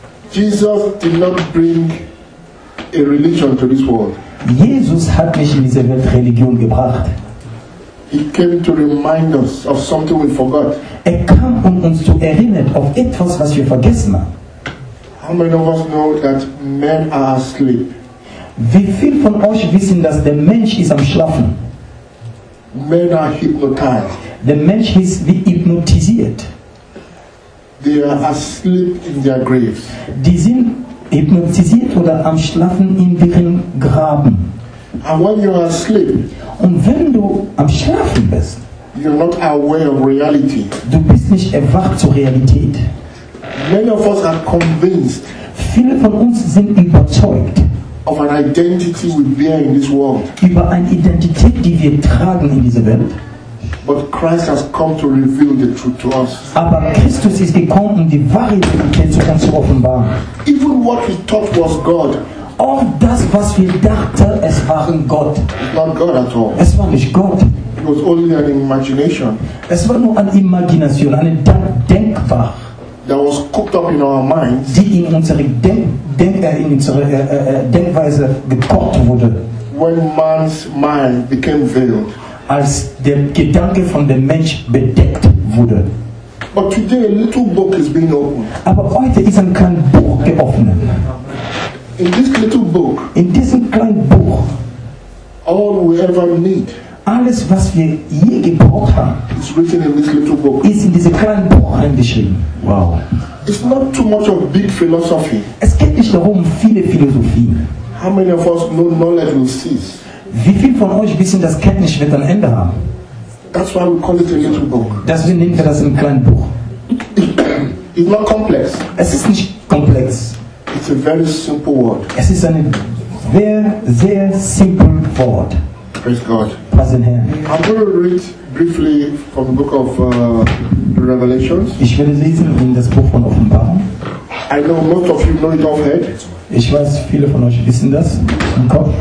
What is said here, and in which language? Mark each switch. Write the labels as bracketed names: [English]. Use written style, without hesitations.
[English] Jesus did not bring a religion to this world. [German] Jesus hat nicht in diese Welt Religion gebracht. [English] He came to remind us of something we forgot. [German] Er kam, um uns zu erinnern auf etwas, was wir vergessen haben. [English] How many of us know that men are asleep? [German] Wie viele von euch wissen, dass der Mensch ist am Schlafen? [English] Men are hypnotized. [German] Der Mensch ist wie hypnotisiert. [English] They are asleep in their graves. [German] Die sind hypnotisiert oder am Schlafen in ihren Graben. [English] And when you are asleep, [German] und wenn du am Schlafen bist, [English] you're not aware of reality. [German] Du bist nicht erwacht zur Realität. [English] Many of us are convinced. [German] Viele von uns sind überzeugt. [English] Of an identity we bear in this world. [German] Über eine Identität, die wir tragen in dieser Welt. [English] But Christ has come to reveal the truth to us. [German] Aber Christus ist gekommen, um die wahre Identität zu uns zu offenbaren. [English] Even what we thought was God. [German] Auch das, was wir dachten, es waren Gott. [English] It's not God at all. [German] Es war nicht Gott. [English] It was only an imagination. [German] Es war nur eine Imagination, eine Denkbar. [English] That was cooked up in our minds. [German] Die in unsere Denkweise gekocht wurde. [English] When man's mind became veiled. [German] Als der Gedanke von dem Mensch bedeckt wurde. [English] But today a little book is being opened. [German] Aber heute ist ein kleines Buch geöffnet. [English] In this little book. [German] In diesem kleinen Buch. [English] All we ever need. [German] Alles, was wir je gebraucht haben, [English] is written in this little book. [German] Ist in diesem kleinen Buch eingeschrieben. Wow. [English] It's not too much of big philosophy. [German] Es geht nicht darum, viele Philosophien. [English] How many of us know knowledge will cease? [German] Wie viele von euch wissen, dass Kenntnis wird ein Ende haben? [English] That's why we call it a little book. [German] Deswegen nennen wir das ein kleines Buch. [English] It's not complex. [German] Es ist nicht komplex. [English] It's a very simple word. [German] Es ist ein sehr, sehr simple Wort. [English] Praise God. Praise the Lord. I'm going to read briefly from the book of Revelations. [German] Ich werde lesen in das Buch von Offenbarung. [English] I know most of you know it offhand. [German] Ich weiß, viele von euch wissen das im Kopf.